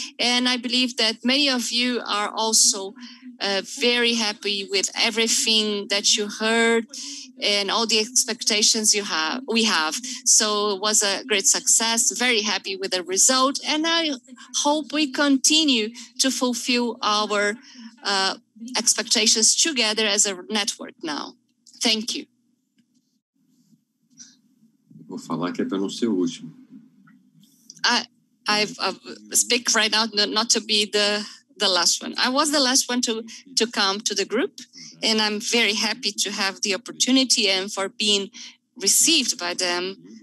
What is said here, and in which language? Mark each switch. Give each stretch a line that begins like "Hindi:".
English: And I believe that many of you are also very happy with everything that you heard and all the expectations we have. So it was a great success, very happy with the result. And I hope we continue to fulfill our expectations together as a network now. Thank you.
Portuguese: Vou falar que é para não ser o último.
English: I speak right now not to be the last one. I was the last one to come to the group, and I'm very happy to have the opportunity and for being received by them.